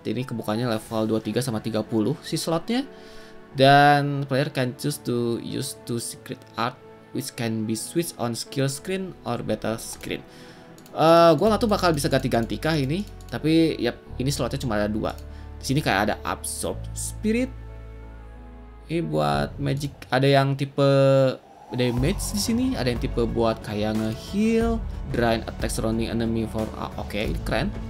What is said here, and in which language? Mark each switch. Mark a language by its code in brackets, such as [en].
[id] Ini kebukanya level 23 sama 30 si slotnya. [en] Dan player can choose to use two secret art which can be switched on skill screen or battle screen. [id] Gua nggak tahu bakal bisa ganti-ganti kah ini. Tapi yep, ini slotnya cuma ada dua. Di sini kayak ada absorb spirit. Ini buat magic. Ada yang tipe damage di sini. Ada yang tipe buat kayak ngeheal, [en] drain attack surrounding enemy for. [id] Oke, ini keren.